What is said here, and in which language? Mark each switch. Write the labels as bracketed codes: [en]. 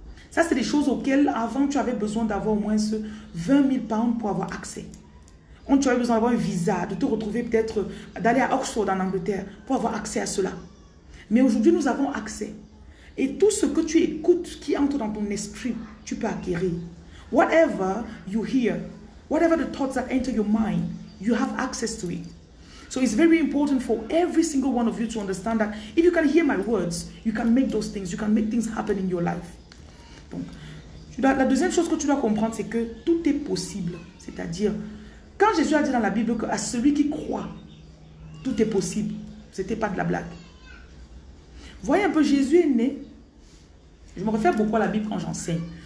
[fr] Ça, c'est des choses auxquelles avant, tu avais besoin d'avoir au moins ce 20 000 pounds pour avoir accès. Donc, tu avais besoin d'avoir un visa, de te retrouver peut-être, d'aller à Oxford en Angleterre pour avoir accès à cela. Mais aujourd'hui, nous avons accès. Et tout ce que tu écoutes, qui entre dans ton esprit, tu peux acquérir. [en] Whatever you hear, whatever the thoughts that enter your mind, you have access to it. So it's very important for every single one of you to understand that if you can hear my words, you can make those things, you can make things happen in your life. [fr] Donc, la deuxième chose que tu dois comprendre, c'est que tout est possible. C'est-à-dire, quand Jésus a dit dans la Bible que à celui qui croit, tout est possible, c'était pas de la blague. Voyez un peu, Jésus est né. Je me réfère beaucoup à la Bible quand j'enseigne.